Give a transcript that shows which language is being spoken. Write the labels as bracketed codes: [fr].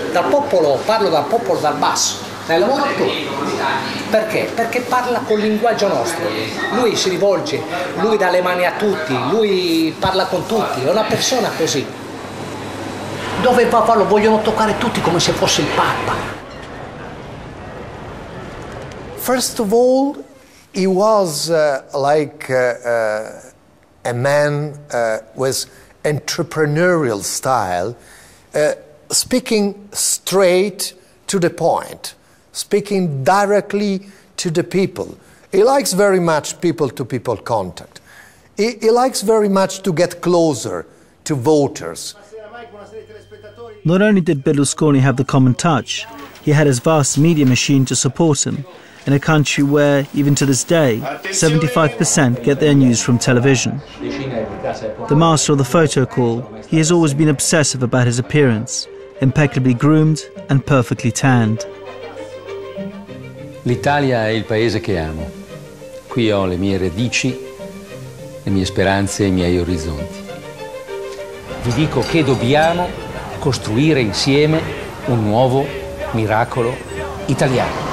[it] Dal popolo, parlo dal popolo dal basso, dal lavoro tutto. Perché? Perché parla col linguaggio nostro. Lui si rivolge, lui dà le mani a tutti, lui parla con tutti. È una persona così. Dove va a farlo? Vogliono toccare tutti come se fosse il Papa. [en] First of all, he was a man with entrepreneurial style, speaking straight to the point, speaking directly to the people. He likes very much people-to-people contact. He likes very much to get closer to voters. Not only did Berlusconi have the common touch, he had his vast media machine to support him in a country where, even to this day, 75% get their news from television. The master of the photo call, he has always been obsessive about his appearance, impeccably groomed and perfectly tanned. [it] L'Italia è il paese che amo. Qui ho le mie radici, le mie speranze e I miei orizzonti. Vi dico che dobbiamo costruire insieme un nuovo miracolo italiano.